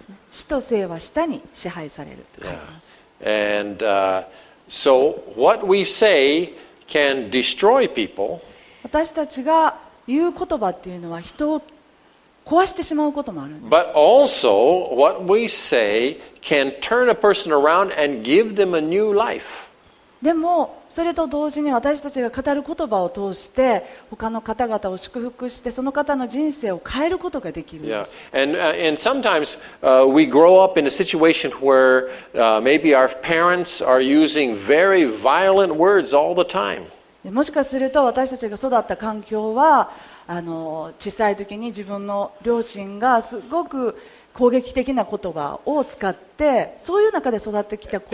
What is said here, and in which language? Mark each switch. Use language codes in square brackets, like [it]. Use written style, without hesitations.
[ja] 死と生は舌に支配されるって書いてます。 [en] Yeah. And so what we say can destroy people. [ja] 私たちが言う言葉っていうのは人を壊してしまうこともあるんです。 [en] But also what we say can turn a person around and give them a new life. [ja] でもそれと同時に私たちが語る言葉を通して他の方々を祝福してその方の人生を変えることができるんです。 [en] Yeah. And sometimes we grow up in a situation where maybe our parents are using very violent words all the time. [ja] もしかすると私たちが育った環境は小さい時に自分の両親がすごく攻撃的な言葉を使ってそういう中で育ってきた子